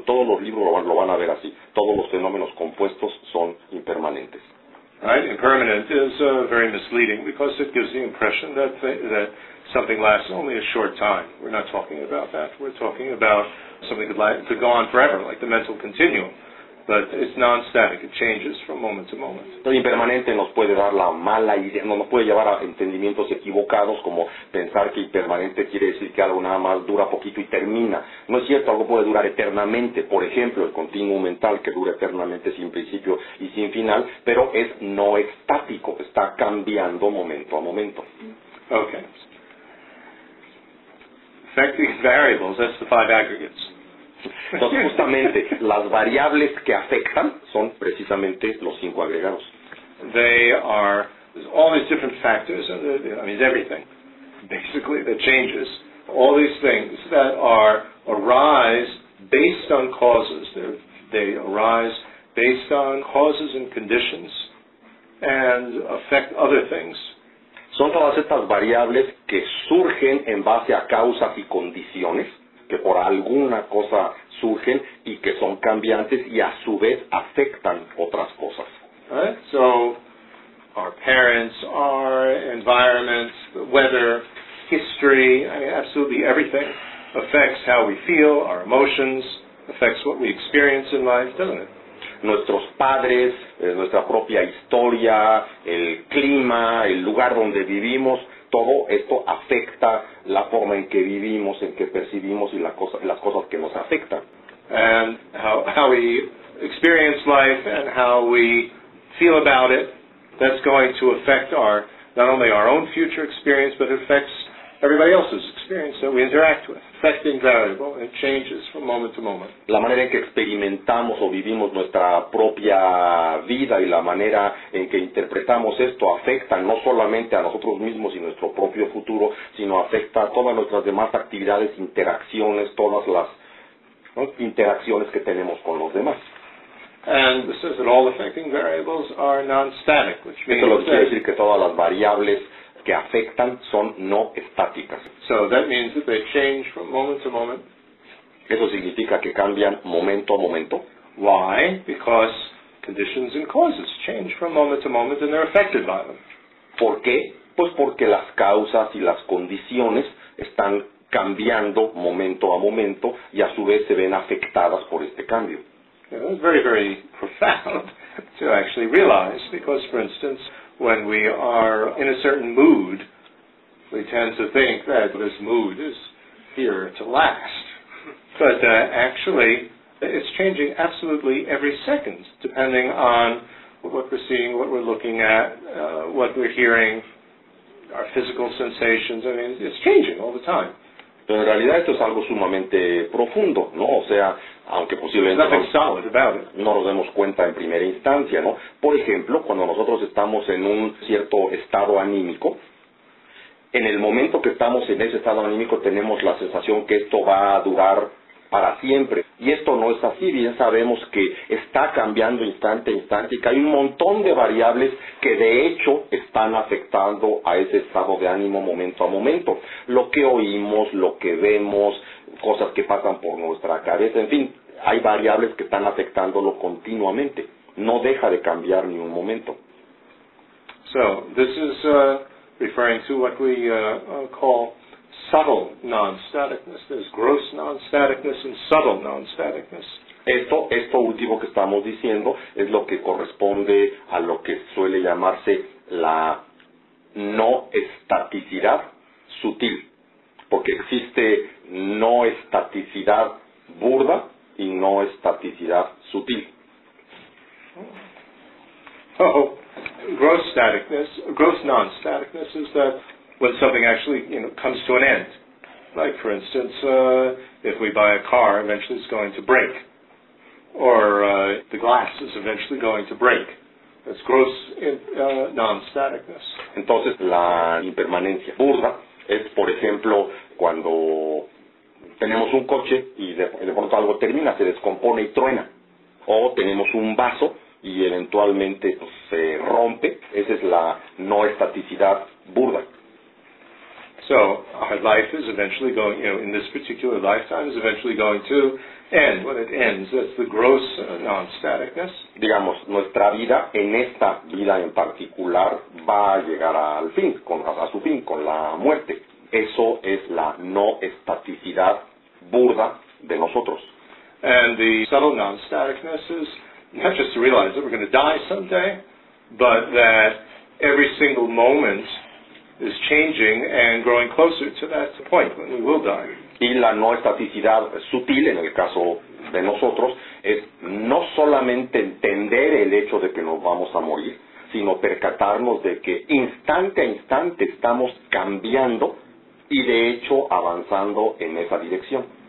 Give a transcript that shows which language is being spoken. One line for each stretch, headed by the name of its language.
Spanish: En todos los libros lo van a ver así, todos los fenómenos compuestos son impermanentes.
English: Right, impermanent is very misleading because it gives the impression that something lasts only a short time. We're not talking about that. We're talking about something could go on forever, like the mental continuum. But it's non-static. It changes from moment to moment.
Spanish: Lo impermanente nos puede dar la mala idea, no nos puede llevar a entendimientos equivocados como pensar que impermanente quiere decir que algo nada más dura poquito y termina. No es cierto, algo puede durar eternamente. Por ejemplo, el continuum mental que dura eternamente sin principio y sin final, pero es no estático, está cambiando momento a momento.
English: Okay. Affecting variables, that's the five aggregates.
Spanish: Entonces, justamente, las variables que afectan son precisamente los cinco agregados.
English: They are all these different factors, everything, basically, that changes. All these things that arise based on causes. They arise based on causes and conditions and affect other things.
Spanish: Son todas estas variables que surgen en base a causas y condiciones, que por alguna cosa surgen y que son cambiantes y a su vez afectan otras cosas.
English: Right? So, our parents, our environments, the weather, history, absolutely everything affects how we feel, our emotions, affects what we experience in life, doesn't it?
Spanish: Nuestros padres, nuestra propia historia, el clima, el lugar donde vivimos, todo esto afecta la forma en que vivimos, en que percibimos y las cosas que nos afectan.
English: And how we experience life and how we feel about it, that's going to affect our, not only our own future experience, but it affects everybody else's experience that we interact with. Affecting variable and changes from moment to moment.
Spanish: La manera en que experimentamos o vivimos nuestra propia vida y la manera en que interpretamos esto afecta no solamente a nosotros mismos y nuestro propio futuro, sino afecta a todas nuestras demás actividades, interacciones, todas las interacciones que tenemos con los demás.
English: And this says that all affecting variables are non-static, which means
Spanish: esto lo quiere decir que todas las variables que afectan son no estáticas.
English: So that means that they change from moment to moment.
Spanish: Eso significa que cambian momento a momento.
English: Why? Because conditions and causes change from moment to moment and they're affected by them.
Spanish: ¿Por qué? Pues porque las causas y las condiciones están cambiando momento a momento y a su vez se ven afectadas por este cambio.
English: Yeah, that's very, very profound to actually realize because, for instance, when we are in a certain mood, we tend to think that this mood is here to last. But actually, it's changing absolutely every second, depending on what we're seeing, what we're looking at, what we're hearing, our physical sensations. I mean, it's changing all the time.
Spanish: Pero en realidad esto es algo sumamente profundo, ¿no? O sea, aunque posiblemente no nos demos cuenta en primera instancia, ¿no? Por ejemplo, cuando nosotros estamos en un cierto estado anímico, en el momento que estamos en ese estado anímico tenemos la sensación que esto va a durar para siempre. Y esto no es así, bien sabemos que está cambiando instante a instante y que hay un montón de variables que de hecho están afectando a ese estado de ánimo momento a momento. Lo que oímos, lo que vemos, cosas que pasan por nuestra cabeza, en fin, hay variables que están afectándolo continuamente. No deja de cambiar ni un momento.
English: So, this is referring to what we call subtle non-staticness. There's gross non-staticness and subtle non-staticness.
Spanish: Esto último que estamos diciendo es lo que corresponde a lo que suele llamarse la no estaticidad sutil. Porque existe no estaticidad burda y no estaticidad sutil.
English: Oh, gross non-staticness is that when something actually, you know, comes to an end. Like, for instance, if we buy a car, eventually it's going to break. Or the glass is eventually going to break. That's gross non-staticness.
Spanish: Entonces, la impermanencia burda es, por ejemplo, cuando tenemos un coche y de pronto algo termina, se descompone y truena. O tenemos un vaso y eventualmente pues, se rompe. Esa es la no estaticidad burda.
English: So our life is eventually going, you know, in this particular lifetime is eventually going to end. When it ends, that's the gross non-staticness.
Spanish: Digamos, nuestra vida en esta vida en particular va a llegar al fin, a su fin, con la muerte. Eso es la no estaticidad burda de nosotros.
English: And the subtle non-staticness is not just to realize that we're going to die someday, but that every single moment is changing and growing closer to that point when we will die.
Spanish: Y la no estaticidad sutil, en el caso de nosotros, es no solamente entender el hecho de que nos vamos a morir, sino percatarnos de que instante a instante estamos cambiando y de hecho avanzando en esa dirección.